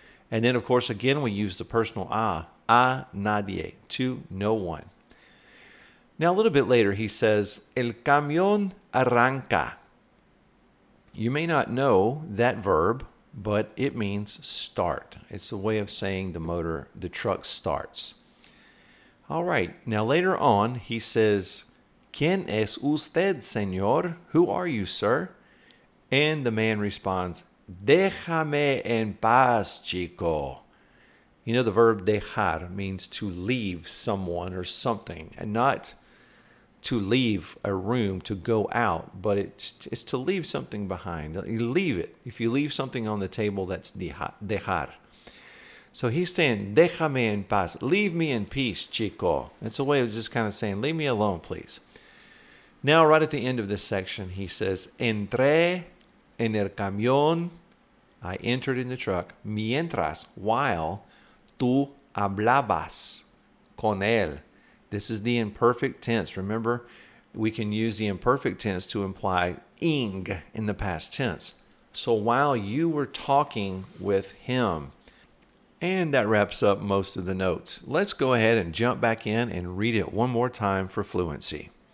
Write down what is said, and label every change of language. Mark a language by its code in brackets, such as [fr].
[en] And then, of course, again, we use the personal [es] a nadie, [en] to no one. Now, a little bit later, he says, [es] el camión arranca. [en] You may not know that verb, but it means start. It's a way of saying the motor, the truck starts. All right. Now, later on, he says, [es] ¿quién es usted, señor? [en] Who are you, sir? And the man responds, [es] déjame en paz, chico. [en] You know, the verb dejar means to leave someone or something, and not to leave a room, to go out, but it's to leave something behind. You leave it. If you leave something on the table, that's dejar. So he's saying, [es] déjame en paz. [en] Leave me in peace, chico. It's a way of just kind of saying, leave me alone, please. Now, right at the end of this section, he says, [es] entré en el camión. [en] I entered in the truck. [es] Mientras, while, tú hablabas con él. [en] This is the imperfect tense. Remember, we can use the imperfect tense to imply ing in the past tense. So while you were talking with him. And that wraps up most of the notes. Let's go ahead and jump back in and read it one more time for fluency.